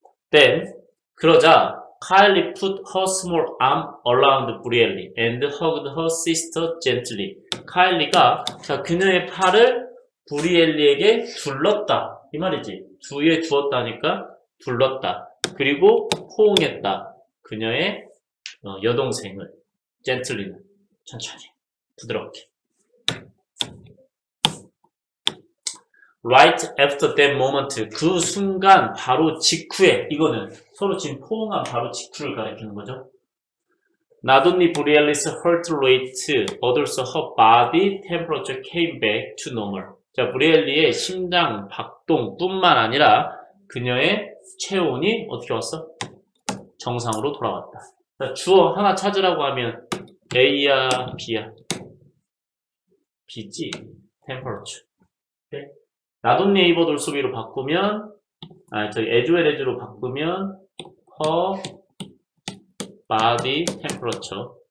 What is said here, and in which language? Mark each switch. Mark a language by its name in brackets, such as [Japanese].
[English] Then, [Korean] 그러자, [English] Kylie put her small arm around Bradley and hugged her sister gently. [Korean] 카일리가 자 그녀의 팔을 브리엘리에게 둘렀다. 이 말이지. 두에 두었다니까 둘렀다. 그리고 호응했다. 그녀의 여동생을. 젠틀리는. 천천히. 부드럽게. [English] Right after that moment. [Korean] 그 순간 바로 직후에. 이거는 서로 지금 호응한 바로 직후를 가리키는 거죠. [English] Not only Bradley's heart rate, but also her body temperature came back to normal. [Korean] 자, 브리엘리의 심장 박동 뿐만 아니라 그녀의 체온이 어떻게 왔어? 정상으로 돌아왔다. 자, 주어 하나 찾으라고 하면 A야, B야? [English] B지? Temperature. [Korean] 네? [English] Not only able to also로 [Korean] 바꾸면, 아, 저기 [English] as well as로 바꾸면 her body temperature.